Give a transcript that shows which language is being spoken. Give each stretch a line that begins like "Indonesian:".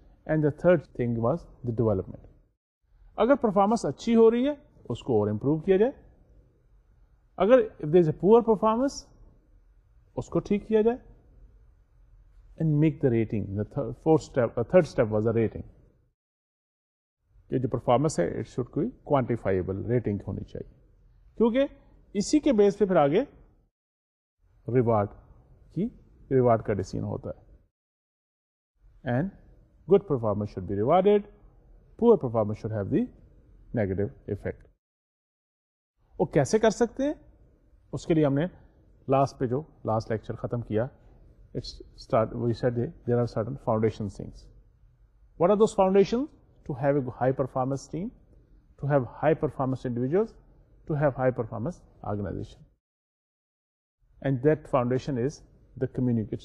English: And the third thing was the development.
Urdu: اگر performance اچھی ہو رہی ہے اس کو اور امپروو کیا جائے, اگر
English: if there is a poor performance
Urdu: اس کو ٹھیک کیا جائے.
English: And make the rating the fourth step third step was the rating.
Urdu: یہ جو پرفارمنس ہے
English: it should be quantifiable,
Urdu: rating ہونی چاہیے, کیونکہ اسی کے بیس پہ پھر آگے ریوارڈ کی ریوارڈ کا ڈیسیژن ہوتا ہے.
English: And good performance should be rewarded, poor performance should have the negative effect.
Urdu: وہ کیسے کر سکتے ہیں اس کے لیے ہم نے لاسٹ پہ جو لاسٹ لیکچر ختم کیا,
English: There are certain foundation things. What are those foundation? To have a high performance team, to have high performance individuals, to have high performance organization. And that foundation is the communication.